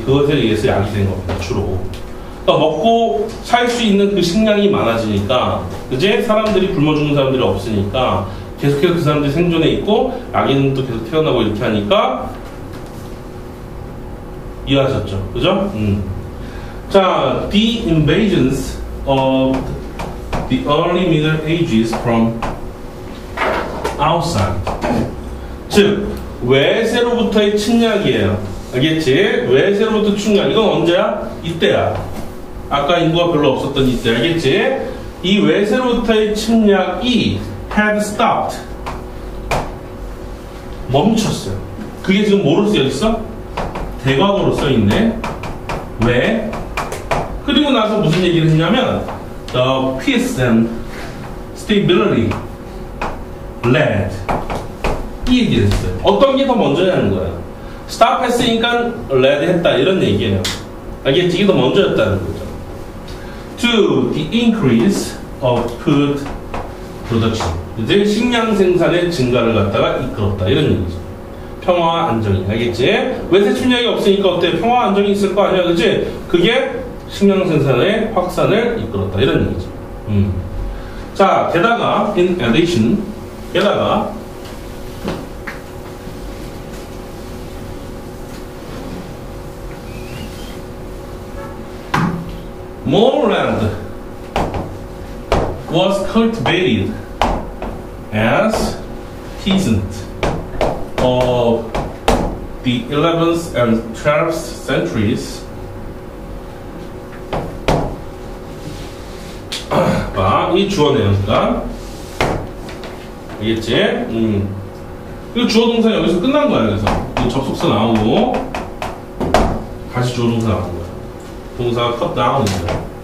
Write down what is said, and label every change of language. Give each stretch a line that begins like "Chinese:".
Korean: 그것에 의해서 약이 된 겁니다, 주로. 그러니까 먹고 살 수 있는 그 식량이 많아지니까, 그제? 사람들이 굶어 죽는 사람들이 없으니까, 계속해서 그 사람들이 생존해 있고, 약이는 또 계속 태어나고 이렇게 하니까, 이해하셨죠? 그죠?
English: 자, the invasions of the early middle ages from outside.
Korean: 즉, 외세로부터의 침략이에요. 알겠지? 외세로부터 침략. 이건 언제야? 이때야. 아까 인구가 별로 없었던 이때. 알겠지? 이 외세로부터의 침략이
English: had stopped.
Korean: 멈췄어요. 그게 지금 뭐로 쓰여있어? 대과거로 써있네. 왜? 그리고 나서 무슨 얘기를 했냐면,
English: the peace and stability led.
Korean: 이 얘기했어요. 어떤 게 더 먼저냐는 거야. Stop 했으니까 led 했다. 이런 얘기예요. 알겠지? 이게 더 먼저였다는 거죠.
English: To the increase output production.
Korean: 이제 식량 생산의 증가를 갖다가 이끌었다. 이런 얘기죠. 평화와 안정이. 알겠지? 외세 침략이 없으니까 어때? 평화와 안정이 있을 거 아니야. 그치? 그게 식량 생산의 확산을 이끌었다. 이런 얘기죠. 자, 게다가,
English: in addition,
Korean: 게다가,
English: More land was cultivated as peasant of the 11th and 12th centuries.
Korean: Ah, 이 주어네요, 그러니까. 알겠지? 이거 주어 동사 여기서 끝난 거야, 그래서. 이 접속사 나오고, 다시 주어 동사 나오고. 동사가 컷다운입니다.